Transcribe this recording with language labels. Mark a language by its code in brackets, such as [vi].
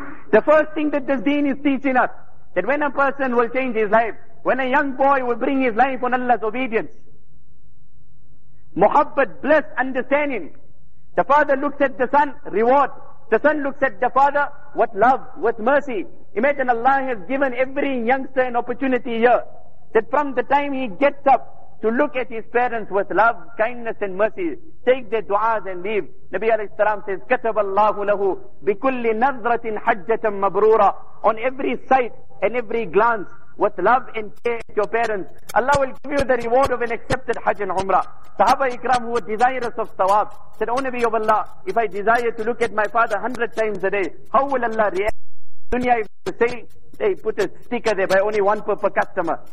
[en] The first thing that this deen is teaching us, that when a person will change his life, when a young boy will bring his life on Allah's obedience, muhabbat, bliss, understanding, the father looks at the son, reward. The son looks at the father, what love, what mercy. Imagine Allah has given every youngster an opportunity here, that from the time he gets up to look at his parents with love, kindness and mercy, take their du'as and leave. Nabi alayhi salam says, [ar] كَتَبَ اللَّهُ لَهُ بِكُلِّ نَظْرَةٍ حَجَّةً مَبْرُورًا. [en] On every sight and every glance, with love and care at your parents, Allah will give you the reward of an accepted Hajj and Umrah. Sahaba Ikram, who were desirous of Tawab, said, O Nabi of Allah, if I desire to look at my father 100 times a day, how will Allah react? Dunya, if you say, hey, put a sticker there by only one per customer.